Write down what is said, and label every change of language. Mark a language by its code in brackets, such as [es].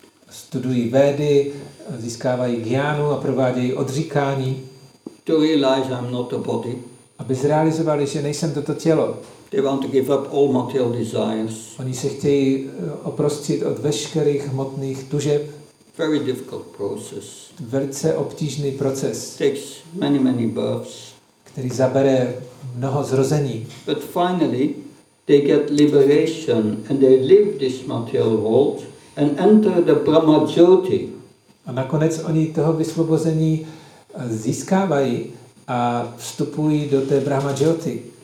[cs] Studují Vedy, získávají jhanu a provádějí odříkání. [en] To realize I'm not a body. [cs] Aby zrealizovali, že nejsem toto tělo. [en] They want to give up all material desires. [cs] Oni se chtějí oprostit od veškerých hmotných tužeb. [en] Very difficult process. [cs] Velice obtížný proces. [en] It takes many births. [cs] Který zabere mnoho zrození. [en] But finally, they get liberation and they leave this material world and enter the Brahma Jyoti. [cs] A nakonec oni toho vysvobození získávají a vstupují do té Brahma Jyoti.